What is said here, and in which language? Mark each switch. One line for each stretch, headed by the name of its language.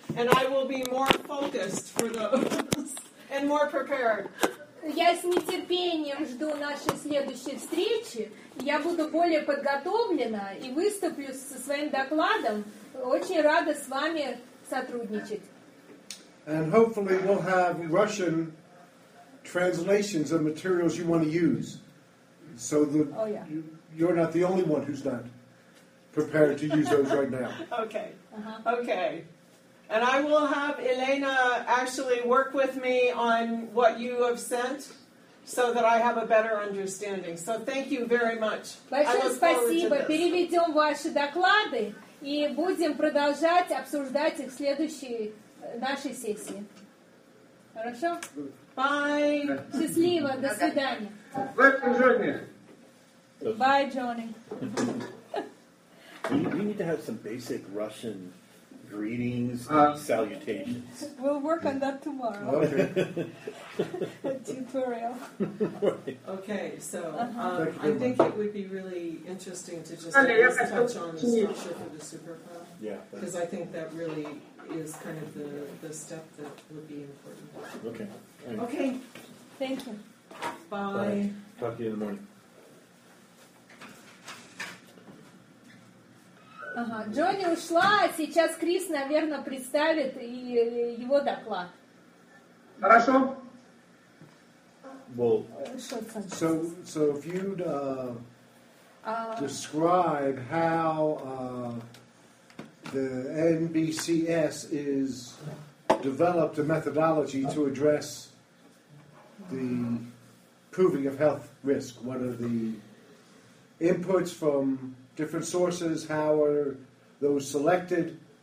English: And I will be more focused for those and more prepared.
Russian: Я с нетерпением жду нашей следующей встречи. Я буду более подготовлена и выступлю со своим докладом. Очень рада с вами сотрудничать.
English: And hopefully we'll have Russian translations of materials you want to use. So that you're not the only one who's not prepared to use those right now. Okay. Uh-huh. Okay. And I will have Elena actually work with me on what you have sent so that I have a better understanding. So thank you very much.
Russian: Большое спасибо. Переведем ваши доклады и будем продолжать обсуждать их в следующей нашей сессии. Хорошо?
English: Bye.
Russian: Счастливо. До свидания.
English: Bye, Джонни. Bye, Johnny. We need to have some basic Russian... greetings, salutations. We'll work on that tomorrow. Okay. Tutorial. Okay, so I think it would be really interesting to just touch on the structure for the superfund. Yeah. Because I think that really is kind of the step that would be important. Okay. Right. Okay. Thank you. Bye. Bye. Talk to you in the morning.
Russian: Ага, Джонни ушла, а сейчас Крис, наверное, представит и его доклад. Хорошо.
English: Well, so if you'd describe how the NBCS is developed a methodology to address the proving of health risk, what are the inputs from different sources, how are those selected?